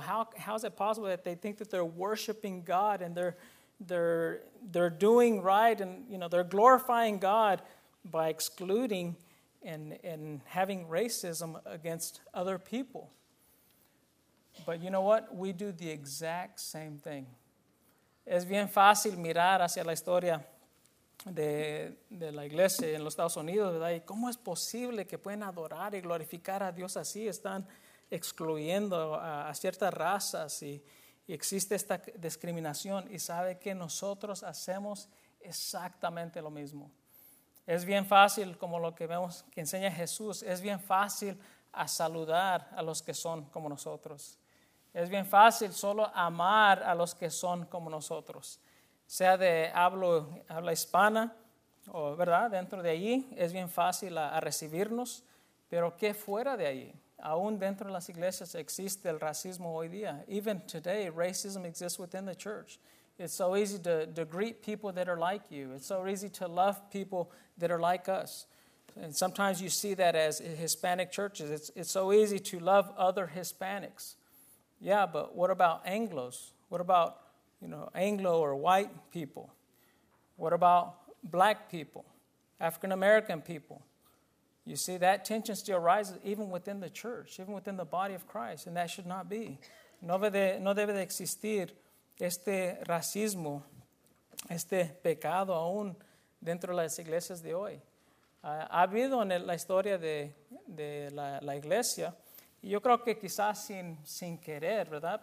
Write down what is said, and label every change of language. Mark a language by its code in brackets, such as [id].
[en] How is it possible that they think that they're worshiping God and they're doing right and, you know, they're glorifying God by excluding and having racism against other people? But you know what? We do the exact same thing. [es] Es bien fácil mirar hacia la historia de la iglesia en los Estados Unidos, ¿verdad? ¿Y cómo es posible que pueden adorar y glorificar a Dios así? Están excluyendo a ciertas razas y existe esta discriminación. Y sabe que nosotros hacemos exactamente lo mismo. Es bien fácil, como lo que vemos que enseña Jesús, es bien fácil a saludar a los que son como nosotros. Es bien fácil solo amar a los que son como nosotros. Sea de habla hispana, o, ¿verdad? Dentro de allí es bien fácil a recibirnos. Pero ¿qué fuera de allí? Aún dentro de las iglesias existe el racismo hoy día. [en] Even today, racism exists within the church. It's so easy to greet people that are like you. It's so easy to love people that are like us. And sometimes you see that as Hispanic churches. It's so easy to love other Hispanics. Yeah, but what about Anglos? What about, you know, Anglo or white people? What about black people, African-American people? You see, that tension still arises even within the church, even within the body of Christ, and that should not be. [es] No debe de existir este racismo, este pecado aún dentro de las iglesias de hoy. Ha habido en la historia de la iglesia, y yo creo que quizás sin querer, ¿verdad?